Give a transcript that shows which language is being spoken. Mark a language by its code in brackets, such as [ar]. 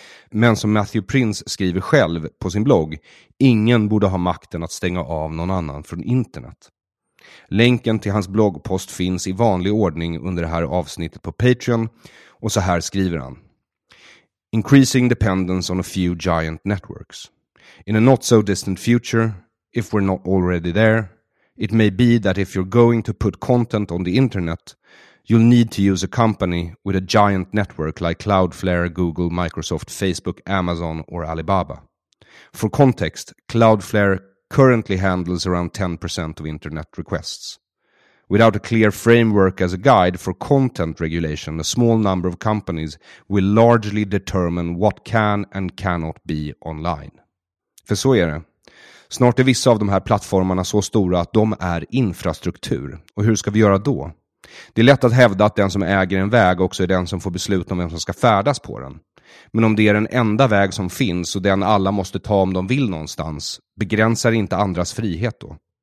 [sv] Men som Matthew Prince skriver själv på sin blogg, ingen borde ha makten att stänga av någon annan från internet. Länken till hans bloggpost finns i vanlig ordning under det här avsnittet på Patreon och så här skriver han: [en] Increasing dependence on a few giant networks. In a not so distant future, if we're not already there, it may be that if you're going to put content on the internet, you'll need to use a company with a giant network like Cloudflare, Google, Microsoft, Facebook, Amazon or Alibaba. For context, Cloudflare currently handles around 10% of internet requests. Without a clear framework as a guide for content regulation, a small number of companies will largely determine what can and cannot be online. [sv] För så är det. Snart är vissa av de här plattformarna så stora att de är infrastruktur. Och hur ska vi göra då? Det är lätt att hävda att den som äger en väg också är den som får beslut om vem som ska färdas på den. Men om det är den enda väg som finns och den alla måste ta om de vill någonstans, begränsar inte andras frihet då?